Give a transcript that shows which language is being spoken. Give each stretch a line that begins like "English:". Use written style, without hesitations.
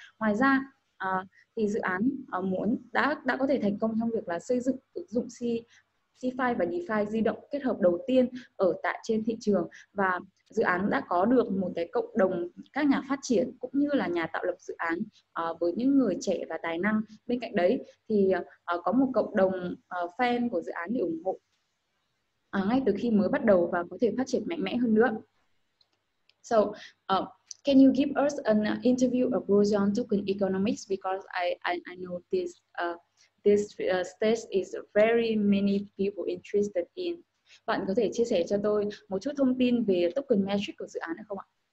Vietnamese: Ngoài ra thì dự án muốn đã có thể thành công trong việc là xây dựng ứng dụng DeFi và DeFi di động kết hợp đầu tiên ở tại trên thị trường, và dự án đã có được một cái cộng đồng các nhà phát triển cũng như là nhà tạo lập dự án với những người trẻ và tài năng. Bên cạnh đấy thì có một cộng đồng fan của dự án để ủng hộ ngay từ khi mới bắt đầu và có thể phát triển mạnh mẽ hơn nữa.
English: So, can you give us an interview of Roseon Token Economics, because I know this stage is very many people interested in.
Vietnamese: Bạn có thể chia sẻ cho tôi một chút thông tin về token metric của dự án được không ạ?